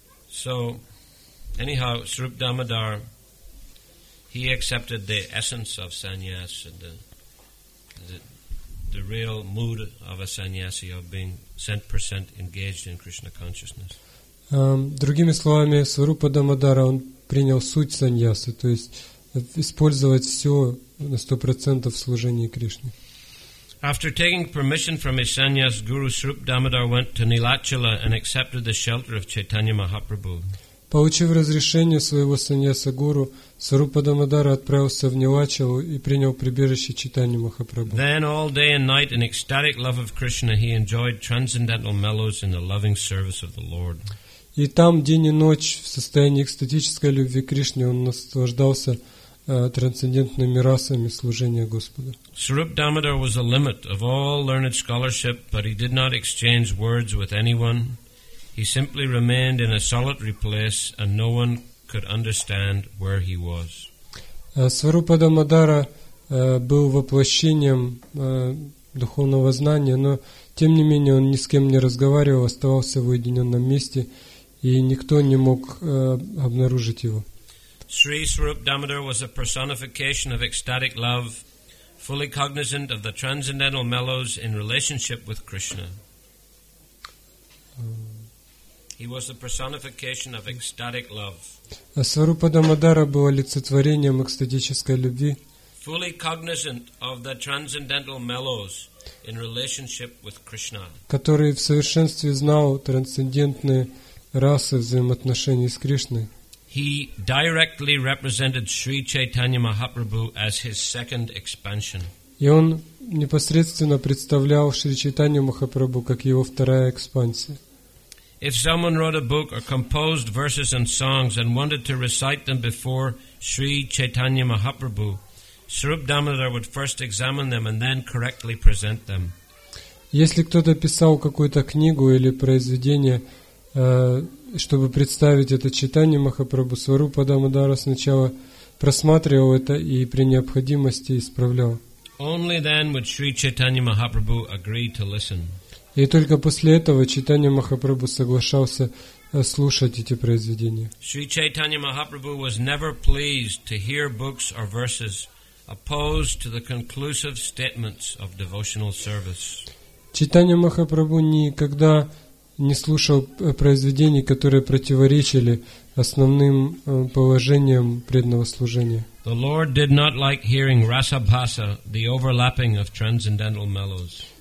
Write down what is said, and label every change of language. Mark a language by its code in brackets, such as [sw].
[en] So, anyhow, Sarup Damodar, he accepted the essence of sannyas, the real mood of a sannyasi, of being 100% engaged in Krishna consciousness. [ru] Другими словами, Сварупа Дамодара, он принял суть саньясы, то есть использовать все на 100% в служении Кришне. [en] After taking permission from his sannyas guru, Srup Damodar went to Nilachala and accepted the shelter of Chaitanya Mahaprabhu. [ru] Получив разрешение своего sannyasa guru, Сварупа Дамодара отправился в Нилачалу и принял прибежище Чайтаньи Махапрабху. [en] Then all day and night in ecstatic love of Krishna, he enjoyed transcendental mellows in the loving service of the Lord. [ru] И там день и ночь в состоянии экстатической любви к Кришне он наслаждался трансцендентными расами служения Господу. [en] Sarup Damodar was the limit of all learned scholarship, but he did not exchange words with anyone. He simply remained in a solitary place, and no one could understand where he was. [ru] Сварупа Дамодара был воплощением духовного знания, но тем не менее он ни с кем не разговаривал, оставался в уединенном месте. И никто не мог обнаружить его. [en] Sri Sarup Damodar was a personification of ecstatic love, fully cognizant of the transcendental mellows in relationship with Krishna. He was the personification of ecstatic love. [ru] Сварупа Дамодара был олицетворением экстатической любви. [en] Fully cognizant of the transcendental mellows in relationship with Krishna. [ru] Который в совершенстве знал трансцендентные расы взаимоотношений с Кришной. [en] He directly represented Sri Chaitanya Mahaprabhu as his second expansion. [ru] И он непосредственно представлял Шри Чайтанью Махапрабху как его вторая экспансия. [en] If someone wrote a book or composed verses and songs and wanted to recite them before Sri Chaitanya Mahaprabhu, Sarup Damodar would first examine them and then correctly present them. [ru] Если кто-то писал какую-то книгу или произведение, чтобы представить это читание Махапрабху, Сварупа Дамодара сначала просматривал это и при необходимости исправлял. [en] Only then would Sri Chaitanya Mahaprabhu agree to listen. [ru] И только после этого Чайтанья Махапрабху соглашался слушать эти произведения. [en] Шри Чайтанья Махапрабху was never pleased to hear books or verses opposed to the conclusive statements of devotional service. [ru] Чайтанья Махапрабху никогда не слушал произведений, которые противоречили основным положениям преданного служения. [en] The Lord did not like hearing rasabhasa, the overlapping of transcendental mellows.